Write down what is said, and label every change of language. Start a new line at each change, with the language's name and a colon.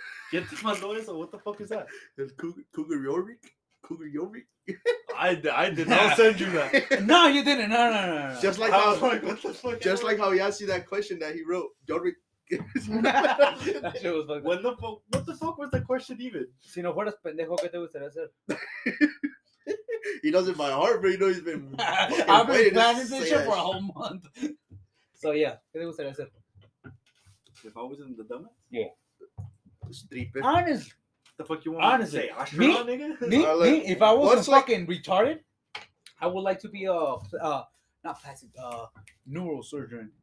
English: Get to my door, so what the fuck is that? It's Cougar Yorick? I did not send you that. No, you didn't. No. Just like how he asked you that question that he wrote. Yorick. That shit was fucking. What the fuck was the question even?
Spanish: Si no fueras pendejo, ¿qué te gustaría hacer?
English: He knows it by heart, but he knows he's been. I've been planning this shit for a whole month. So yeah,
Spanish: ¿qué te gustaría hacer?
English: If I was in the dumbest? Yeah. Stupid. Honest. The fuck you want honestly, me to say? Astronaut, me? Nigga? Me? Like, me? If I was a fucking retarded, I would like to be neurosurgeon.